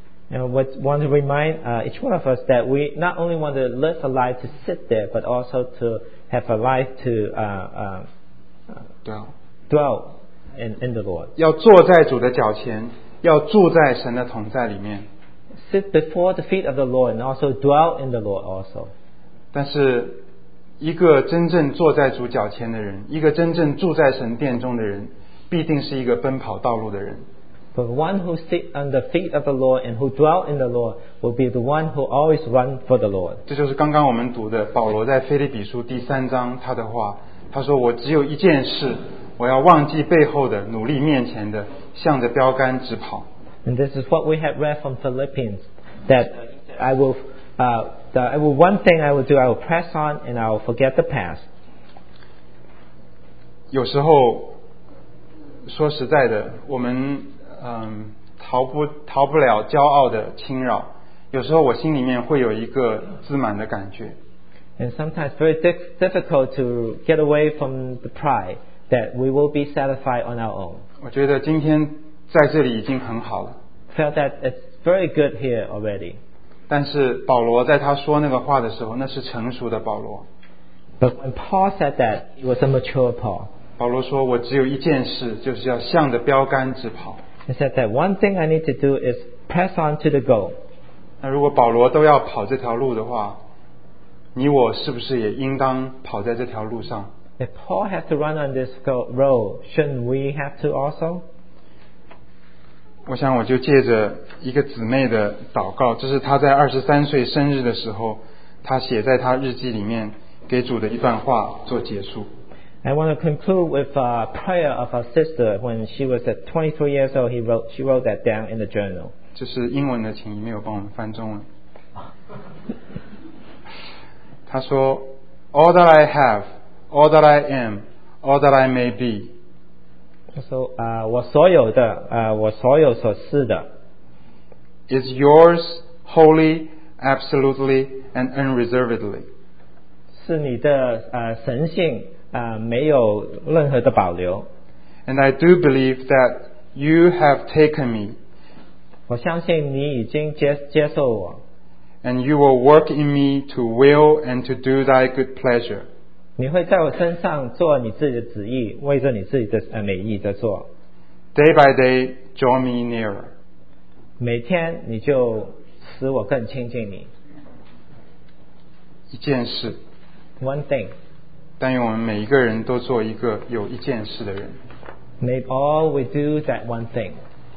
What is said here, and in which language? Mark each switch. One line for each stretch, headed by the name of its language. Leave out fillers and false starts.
English: And we want to remind each one of us that we not only want to live a life to sit there, but also to have a life to dwell in the Lord.
Chinese: 要坐在主的脚前，要住在神的同在里面。
English: Sit before the feet of the Lord and also dwell in the Lord also.
Chinese: 但是一个真正坐在主脚前的人，一个真正住在神殿中的人，必定是一个奔跑道路的人。
English: But one who sits on the feet of the Lord and who dwells in the Lord will be the one who always runs for the Lord.
Chinese: 这就是刚刚我们读的保罗在腓立比书第三章他的话，他说我只有一件事，我要忘记背后的，努力面前的，向着标杆直跑。
English: And this is what we had read from Philippians, that I will, one thing I will do, I will press on and I will forget the past.
Chinese: 有时候，说实在的，我们逃不了骄傲的侵扰。有时候我心里面会有一个自满的感觉。
English: And sometimes very difficult to get away from the pride that we will be satisfied on our own.
Chinese: 我觉得今天在这里已经很好了。
English: Felt that it's very good here already.
Chinese: 但是保罗在他说那个话的时候，那是成熟的保罗。
English: But when Paul said that, he was a mature Paul.
Chinese: 保罗说：“我只有一件事，就是要向着标杆直跑。”
English: He said that one thing I need to do is press on to the goal.
Chinese: 那如果保罗都要跑这条路的话，你我是不是也应当跑在这条路上？
English: If Paul has to run on this road, shouldn't we have to also?
Chinese: 我想我就借着一个姊妹的祷告，这是她在23岁生日的时候，她写在她日记里面给主的一段话做结束。
English: I want to conclude with a prayer of our sister when she was at 23 years old. She wrote that down in the journal.
Chinese: 这是英文的，请你没有帮我们翻中文。她说
English: ：“All that I have, all that I am, all that I may be.”
Chinese: So, 我所有的，我所有所是的
English: is yours wholly, absolutely, and unreservedly.
Chinese: 是你的神性，没有任何的保留。
English: And I do believe that you have taken me.
Chinese: 我相信你已经接受我。
English: And you will work in me to will and to do thy good pleasure.
Chinese: 你会在我身上做你自己的旨意, 为着你自己的, 美意的做。
English: Day by day, draw me nearer.
Chinese: 每天你就使我更亲近你。一件事。
English: One thing.
Chinese: 但愿我们每一个人都做一个有一件事的人。
English: May all we do that one thing.